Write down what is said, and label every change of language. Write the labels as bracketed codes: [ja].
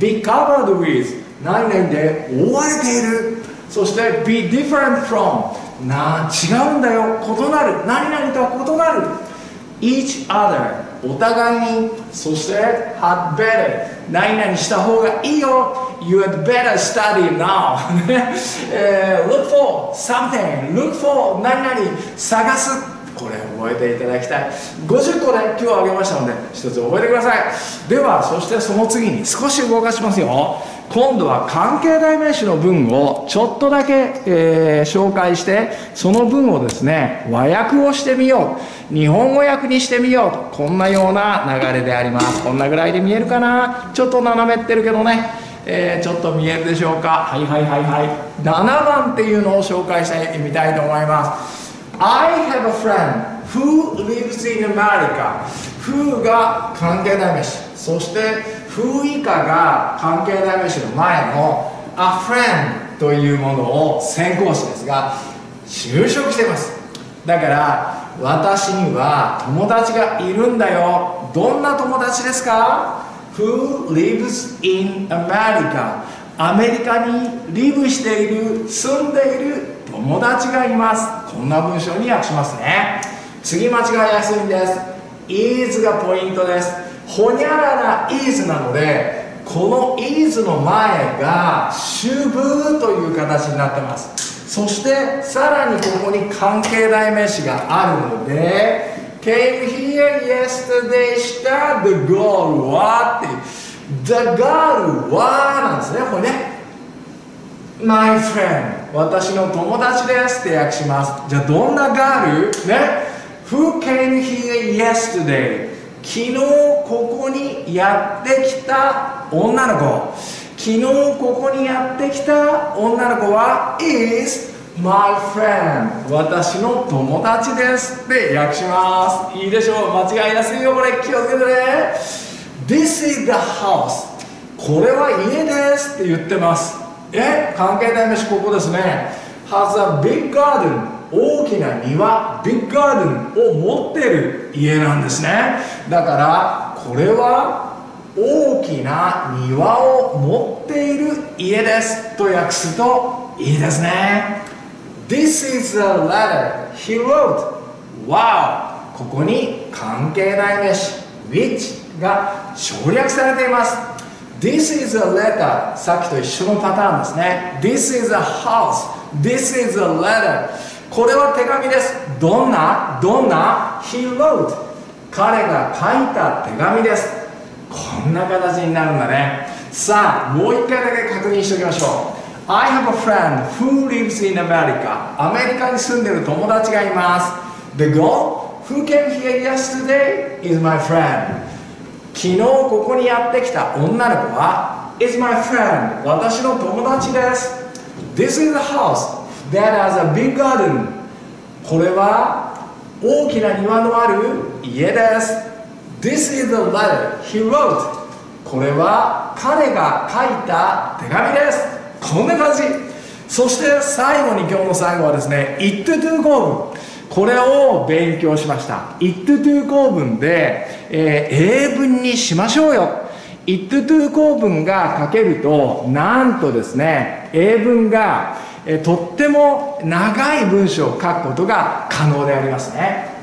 [en] Be covered with、 [ja] 何々で覆われている。そして [en] Be different from、 [ja] なあ違うんだよ、異なる、何々とは異なる。 [en] each other、 [ja] お互いに。そして [en] had better、 [ja] 何々した方がいいよ。 [en] you had better study now 、look for something、 look for 何々、探す。 [ja] これ覚えていただきたい。50個で今日挙げましたので、一つ覚えてください。では、そしてその次に少し動かしますよ。今度は関係代名詞の文をちょっとだけ、紹介して、その文をですね、和訳をしてみよう、日本語訳にしてみようと、こんなような流れであります。こんなぐらいで見えるかな、ちょっと斜めってるけどね、ちょっと見えるでしょうか。はいはいはいはい、7番っていうのを紹介してみたいと思います。 [en] I have a friend who lives in America. [ja] Who が関係代名詞、そして who 以下が関係代名詞の前の a friend というものを先行詞ですが、就職しています。だから私には友達がいるんだよ。どんな友達ですか？ [en] Who lives in America? [ja] アメリカにリブしている、住んでいる友達がいます。こんな文章に訳しますね。次、間違いやすいんです。 Is がポイントです。ほにゃらら is なので、この is の前が should という形になってます。そしてさらにここに関係代名詞があるので [en] Came here yesterday [ja] した the girl はっていう The girl はなんですね、これね [en] My friend [ja] 私の友達ですって訳します。じゃあどんな girl? [en] ね Who came here yesterday? [ja] 昨日ここにやってきた女の子、昨日ここにやってきた女の子は [en] is my friend [ja] 私の友達ですって訳します。いいでしょう、間違いやすいよこれ、気をつけてね。 [en] This is the house [ja] これは家ですって言ってます。え、関係代名詞ここですね。 [en] has a big garden [ja] 大きな庭、 big garden を持ってる家なんですね。だからこれは大きな庭を持っている家ですと訳すといいですね。 [en] This is a letter he wrote. Wow! [ja] ここに関係代名詞 which が省略されています。 [en] This is a letter [ja] さっきと一緒のパターンですね。 [en] This is a house. This is a letter [ja] これは手紙です。どんな [en] he wrote [ja] 彼が書いた手紙です。こんな形になるんだね。さあもう一回だけ確認しておきましょう。 [en] I have a friend who lives in America [ja] アメリカに住んでる友達がいます。 [en] The girl who came here yesterday is my friend [ja] 昨日ここにやってきた女の子は [en] is my friend [ja] 私の友達です。 [en] This is a house that has a big garden [ja] これは大きな庭のある家です。 [en] This is the letter he wrote. [ja] これは彼が書いた手紙です。こんな感じ。そして最後に今日の最後はですね、It to do 構文。これを勉強しました。It to do 構文で、英文にしましょうよ。 It to do 構文が書けると、なんとですね、英文が、とっても長い文章を書くことが可能でありますね。